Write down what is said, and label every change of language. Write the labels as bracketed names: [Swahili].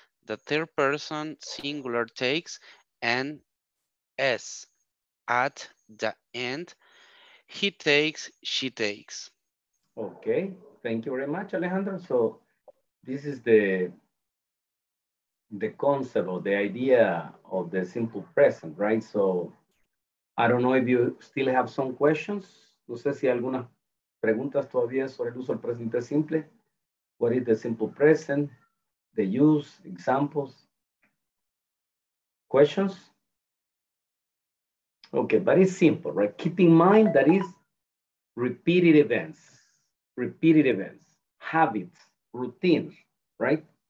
[English] The third person singular takes and s at the end, he takes, she takes. Okay, thank you very much, Alejandro. So this is the concept or the idea of the simple present, right? So I don't know if you still have some questions. [Spanish] No sé si algunas preguntas todavía sobre el uso del presente simple. [English] What is the simple present? The use, examples. Questions? Okay, but it's simple, right? Keep in mind that is repeated events. Repeated events, habits, routines, right?